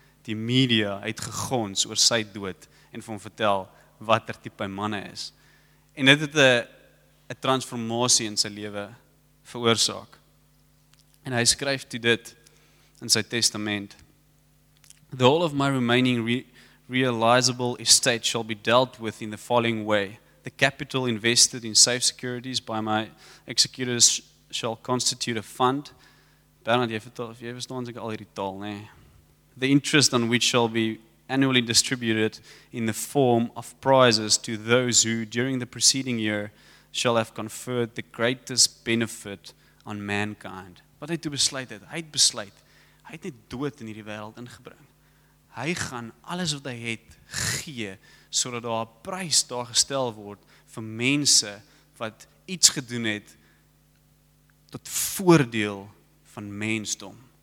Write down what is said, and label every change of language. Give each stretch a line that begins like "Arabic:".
Afrikaans: Die media het gegons oor sy dood en vir hom vertel wat tipe manne is. En dit het 'n transformasie in sy lewe veroorsaak. En hy skryf toe dit in sy testament.
English: The whole of my remaining realizable estate shall be dealt with in the following way. The capital invested in safe securities by my executors shall constitute a fund.
Afrikaans: Bernard, jy verstaan seker al hierdie taal, nê?
English: the interest on which shall be annually distributed in the form of prizes to those who, during the preceding year, shall have conferred the greatest benefit on mankind.
Afrikaans: Wat hy toe besluit het, hy het besluit, hy het net dood in hierdie wêreld ingebring. Hy gaan alles wat hy het gee, sodat daar 'n prys daar gestel word vir mense wat iets gedoen het tot voordeel van mensdom.